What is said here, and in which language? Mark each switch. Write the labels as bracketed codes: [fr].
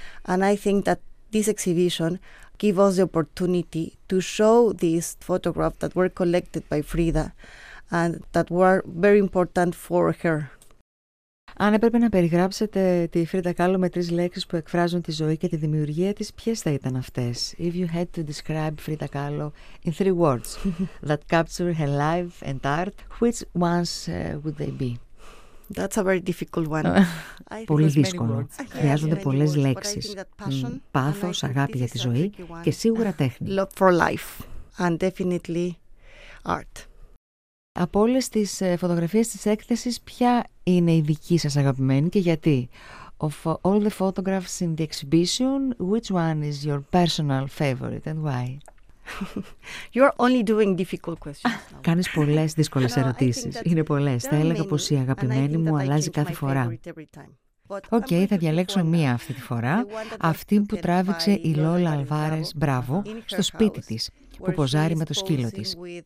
[en] And I think that this exhibition gave us the opportunity to show these photographs that were collected by Frida and that were very important for her. [el] Αν έπρεπε να περιγράψετε τη Φρίντα Κάλλο με τρεις λέξεις που εκφράζουν τη ζωή και τη δημιουργία της, ποιες θα ήταν αυτές? [en] If you had to describe Frida Kahlo in three words that capture her life and art, which ones would they be? That's a very difficult one. [el] Πολύ δύσκολο. Χρειάζονται πολλές λέξεις. Πάθος, αγάπη για τη ζωή και σίγουρα τέχνη. [en] Love for life and definitely art. [el] Από όλες τις φωτογραφίες της έκθεσης, ποια είναι η δική σας αγαπημένη και γιατί? [en] Of all the photographs in the exhibition, which one is your personal favorite and why? You're only doing difficult questions. [el] Κάνεις πολλές δύσκολες ερωτήσεις. Είναι πολλές. Θα έλεγα πως η αγαπημένη μου αλλάζει κάθε φορά. Οκ, θα διαλέξω μία αυτή τη φορά, αυτή που τράβηξε η Lola Álvarez Bravo στο σπίτι της, που ποζάρει με το σκύλο της.